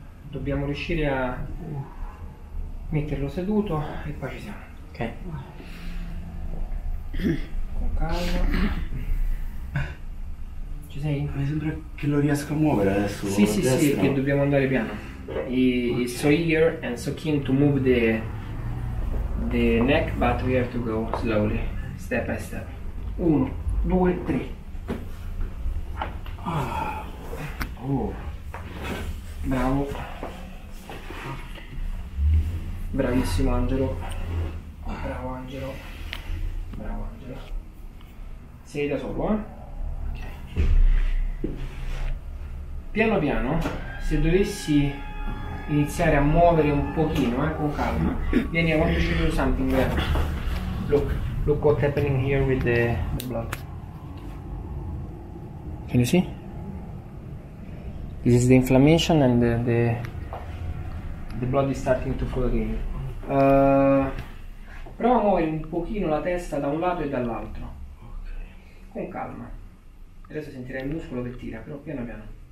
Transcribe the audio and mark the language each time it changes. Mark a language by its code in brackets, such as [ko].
[it] Dobbiamo riuscire a metterlo seduto e poi ci siamo. Ok. Con calma. Ci sei? Mi sembra che lo riesco a muovere adesso. Sì, sì, destra. Sì, perché dobbiamo andare piano. Okay. [en] So here and so keen to move the neck, but we have to go slowly, step by step. [it] Uno, due, tre. Oh. Bravo. Bravissimo Angelo. Bravo Angelo. Bravo Angelo. Sei da solo, eh? Ok. Piano piano, se dovessi iniziare a muovere un pochino, con calma. [en] Vieni, I want to show you something. Look what's happening here with the blood. Can you see? This is the inflammation and the blood is starting to flow again. [it] Prova a muovere un pochino la testa da un lato e dall'altro. Okay. Con calma. Adesso sentirai il muscolo che tira, però piano piano.